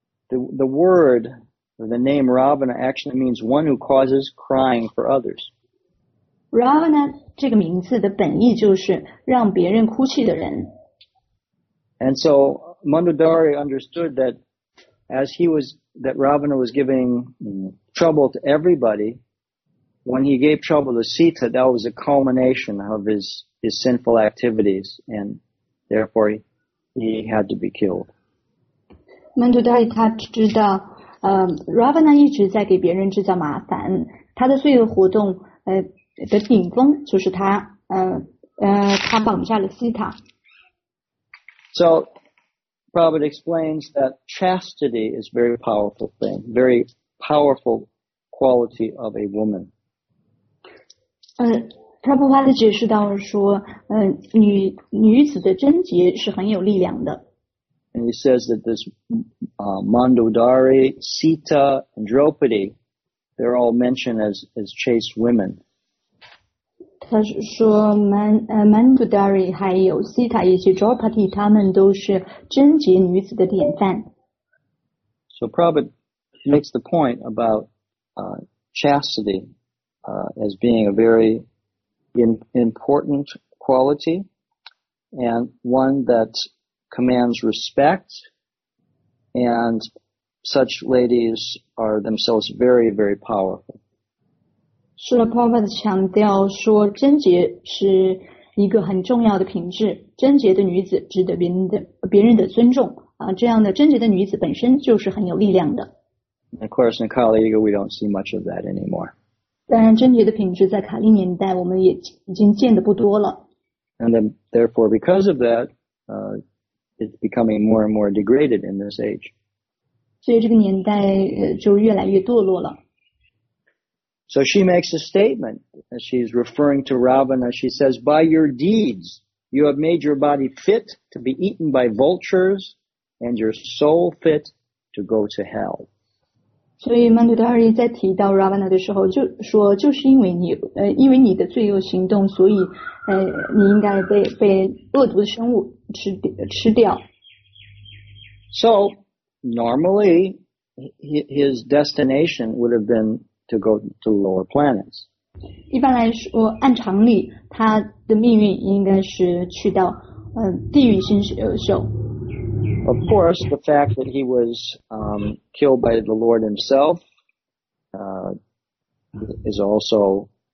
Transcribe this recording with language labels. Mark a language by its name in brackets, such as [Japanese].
[English] the word the name Ravana actually means one who causes crying for others [Chinese] Ravana 这个名字的本意就是让别人哭泣的人 [English] And so Mandodari understood that as he was, that Ravana was giving trouble to everybody, when he gave trouble to Sita, that was a culmination of his sinful activities, and therefore he had to be killed. [Chinese] Mandodari 他知道Ravana 一直在给别人制造麻烦，他的罪恶活动的顶峰就是他绑架了 Sita。 [English] So, Prabhupada explains that chastity is a very powerful thing, very powerful quality of a woman. [Chinese] Prabhupada 解释到说，女子的贞洁是很有力量的。 [English] And he says that this Mandodari, Sita, and Draupadi, they're all mentioned as chaste women. [Chinese] 他说 Mandodari 还有 Sita 以及 Draupadi 他们都是贞洁女子的典范 [English] So Prabhupada makes the point about chastity as being a very important quality and one that commands respect and such ladies are themselves very very powerful [Chinese] Srila Prabhupada 强调说贞洁是一个很重要的品质贞洁的女子值得别人的尊重这样的贞洁的女子本身就是很有力量的 [English] Of course in Kali Yuga we don't see much of that anymore [Chinese] 当然贞洁的品质在卡利年代我们也已经见得不多了 [English] And then, therefore because of that it's becoming more and more degraded in this age [Chinese] 所以这个年代就越来越堕落了 [English] So she makes a statement, as she's referring to Ravana, she says, by your deeds, you have made your body fit to be eaten by vultures, and your soul fit to go to hell. [Chinese] 所以 Mandodari 在提到 Ravana 的时候就说就是因为你的罪恶行动所以你应该被恶毒的生物吃掉。 [English] So, normally, his destination would have beento go to lower planets. [Chinese] 一般来说按常理他的命运应该是去到地狱星宿。 [English] Of course, the fact that he was killed by the Lord himself is also